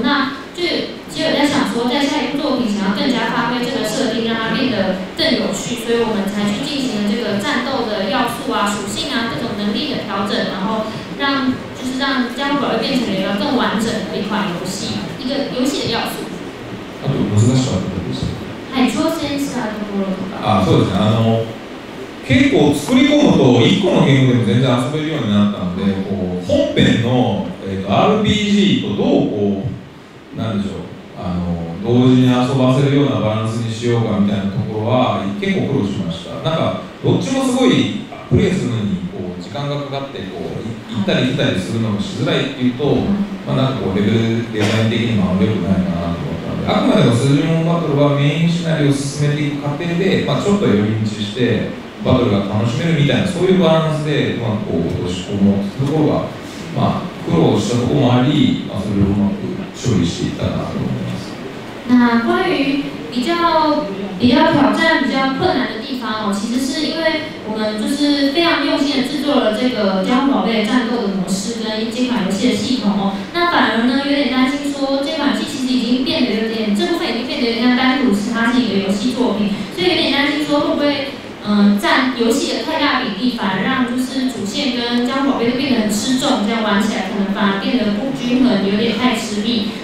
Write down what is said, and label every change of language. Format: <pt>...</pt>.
<zh>那就其实有在想说，在下一部作品想要更加发挥这个设定，让它变得更有趣，所以我们才去进行了这个战斗的要素啊、属性啊、各种能力的调整，然后让家父宝贝变成了一个更完整的一款游戏，一个游戏的要素。</zh> <ja>あと難しかったです。はい、挑戦したところとか。あ、そうですね。結構作り込むと1個のゲームでも全然遊べるようになったので、こう本編の、RPG とどうこう、なんでしょう、同時に遊ばせるようなバランスにしようかみたいなところは結構苦労しました。なんかどっちもすごいプレイするのにこう時間がかかってこう行ったり来たりするのもしづらいっていうと、まあ、なんかこうレベルデザイン的にもあんまり良くないかなと。あくまでも数字モンバトルはメインシナリオを進めていく過程で、まあ、ちょっと寄り道してバトルが楽しめるみたいな、そういうバランスで、まあ、こう落とし込むところが、まあ、苦労したところもあり、まあ、それをうまく処理していったなと思います。</ja> <zh>那关于比较挑战、比较困难的地方哦，其实是因为我们就是非常用心的制作了这个《家父宝贝》战斗的模式跟这款游戏的系统哦。那反而呢，有点担心说这款机其实已经变得有点，这部分已经变得有点像单独是它是一个游戏作品，所以有点担心说会不会占游戏的太大比例，反而让就是主线跟《家父宝贝》都变得很吃重，这样玩起来可能反而变得不均衡，有点太吃力。</zh>